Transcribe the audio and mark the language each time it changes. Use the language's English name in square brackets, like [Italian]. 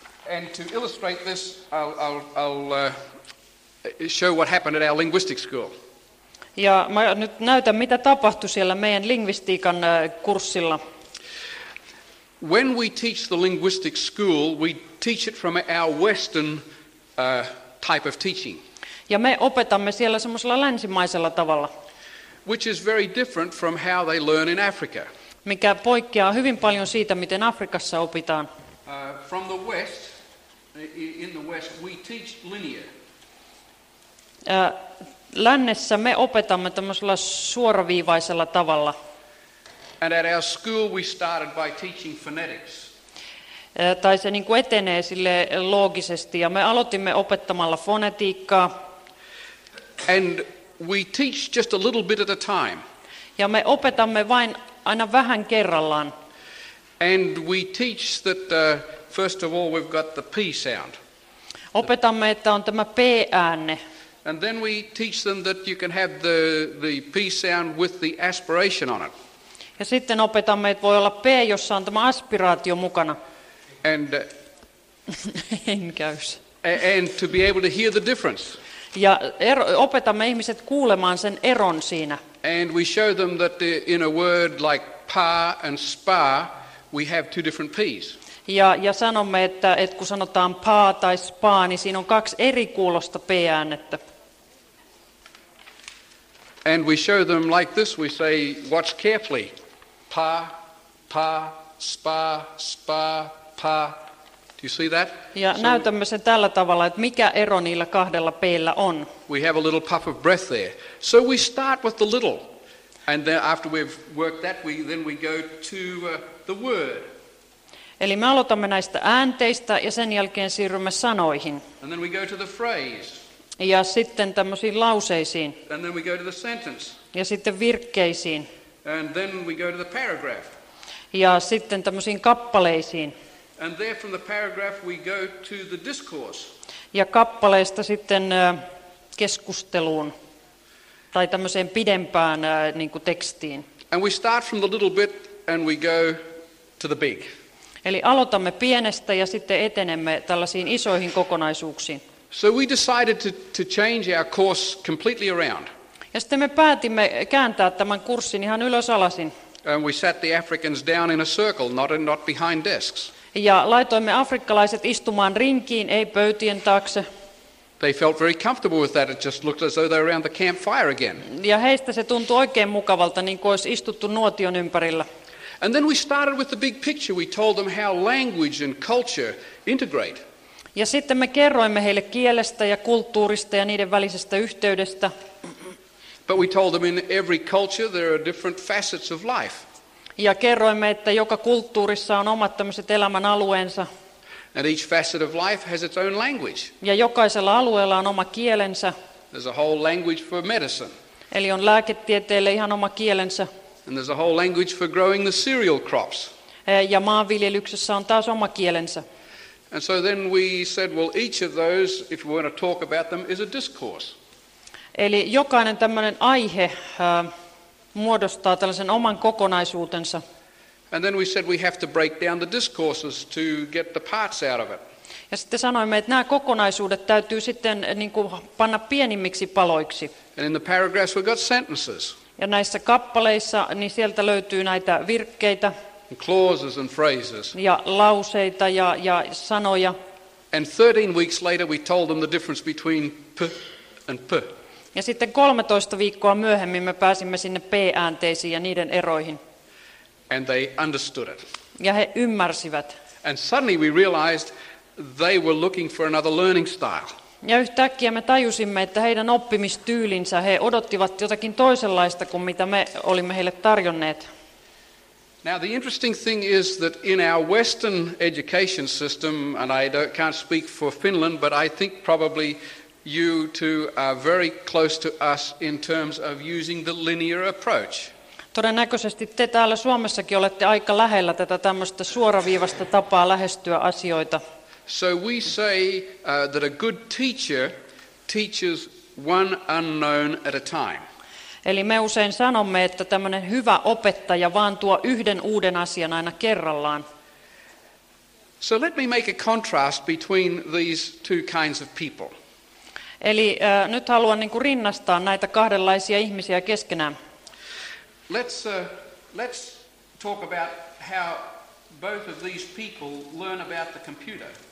[English] And to illustrate this, I'll show what happened at our linguistic school. [Finnish] Ja mä nyt näytän mitä tapahtui siellä meidän lingvistiikan kurssilla. [English] When we teach the linguistic school, we teach it from our Western type of teaching. [Finnish] Ja me opetamme siellä semmoisella länsimaisella tavalla. [English] Which is very different from how they learn in Africa. [Finnish] Mikä poikkeaa hyvin paljon siitä miten Afrikassa opitaan. [English] From the West. In the West, we teach linear. [Finnish] Lännessä me opetamme tämmöisellä suoraviivaisella tavalla. [English] And at our school, we started by teaching phonetics. [Finnish] Tai se niin kuin etenee sille loogisesti, ja me aloitimme opettamalla fonetiikkaa. [English] And we teach just a little bit at a time. [Finnish] Ja me opetamme vain aina vähän kerrallaan. [English] And we teach that. First of all, we've got the P sound. [Finnish] Opetamme, että on tämä P ääne. [English] And then we teach them that you can have the P sound with the aspiration on it. [Finnish] Ja sitten opetamme, että voi olla P, jossa on tämä aspiraatio mukana. [English] And en käys. And to be able to hear the difference. [Finnish] Ja opetamme ihmiset kuulemaan sen eron siinä. [English] And we show them that in a word like pa and spa, we have two different P's. [Finnish] Ja sanomme, että kun sanotaan paa tai spaa, niin siinä on kaksi eri kuulosta p-äännettä. [English] And we show them like this, we say, watch carefully. Pa, pa, spa, spa, pa. Do you see that? [Finnish] Ja so näytämme sen tällä tavalla, että mikä ero niillä kahdella p-llä on. [English] We have a little puff of breath there. So we start with the little. And then after we've worked that, we go to the word. [Finnish] Eli me aloitamme näistä äänteistä ja sen jälkeen siirrymme sanoihin. [English] And then we go to the phrase. [Finnish] Ja sitten tämmöisiin lauseisiin. [English] And then we go to the sentence. [Finnish] Ja sitten virkkeisiin. [English] And then we go to the paragraph. [Finnish] Ja sitten tämmöisiin kappaleisiin. [English] And there from the paragraph we go to the discourse. [Finnish] Ja kappaleista sitten keskusteluun tai tämmöiseen pidempään niin kuin tekstiin. [English] And we start from the little bit and we go to the big. [Finnish] Eli aloitamme pienestä ja sitten etenemme tällaisiin isoihin kokonaisuuksiin. [English] So we decided to change our course completely around. [Finnish] Ja sitten me päätimme kääntää tämän kurssin ihan ylös alasin. [English] And we sat the Africans down in a circle, not behind desks. [Finnish] Ja laitoimme afrikkalaiset istumaan rinkiin, ei pöytien taakse. [English] They felt very comfortable with that. It just looked as though they were around the campfire again. [Finnish] Ja heistä se tuntui oikein mukavalta, niin kuin olisi istuttu nuotion ympärillä. [English] And then we started with the big picture. We told them how language and culture integrate. [Finnish] Ja sitten me kerroimme heille kielestä ja kulttuurista ja niiden välisestä yhteydestä. [English] But we told them in every culture there are different facets of life. [Finnish] Ja kerroimme, että joka kulttuurissa on omat tämmöiset elämän alueensa. [English] And each facet of life has its own language. [Finnish] Ja jokaisella alueella on oma kielensä. [English] There's a whole language for medicine. [Finnish] Eli on lääketieteelle ihan oma kielensä. [English] And there's a whole language for growing the cereal crops. [Finnish] Ja maanviljelyksessä on taas oma kielensä. [English] And so then we said, well, each of those, if we want to talk about them, is a discourse. [Finnish] Eli jokainen tämmöinen aihe muodostaa tällaisen oman kokonaisuutensa. [English] And then we said we have to break down the discourses to get the parts out of it. [Finnish] Ja sitten sanoimme, että nämä kokonaisuudet täytyy sitten niin kuin panna pienimmiksi paloiksi. [English] And in the paragraphs we've got sentences. [Finnish] Ja näissä kappaleissa, niin sieltä löytyy näitä virkkeitä. [English] And clauses and phrases. [Finnish] Ja lauseita ja sanoja. [English] And 13 weeks later we told them the difference between p and p. [Finnish] Ja sitten 13 viikkoa myöhemmin me pääsimme sinne p-äänteisiin ja niiden eroihin. [English] And they understood it. [Finnish] Ja he ymmärsivät. [English] And suddenly we realized they were looking for another learning style. [Finnish] Ja yhtäkkiä me tajusimme, että heidän oppimistyylinsä he odottivat jotakin toisenlaista kuin mitä me olimme heille tarjonneet. [English] Now the interesting thing is that in our Western education system, and I can't speak for Finland, but I think probably you two are very close to us in terms of using the linear approach. [Finnish] Todennäköisesti te täällä Suomessakin olette aika lähellä tätä tämmöistä suoraviivasta tapaa lähestyä asioita. [English] So we say that a good teacher teaches one unknown at a time. [Finnish] Eli me usein sanomme, että tämmöinen hyvä opettaja vaan tuo yhden uuden asian aina kerrallaan. [English] So let me make a contrast between these two kinds of people. [Finnish] Eli nyt haluan niin kuin rinnastaa näitä kahdenlaisia ihmisiä keskenään. [English] Let's talk about how both of these people learn about the computer.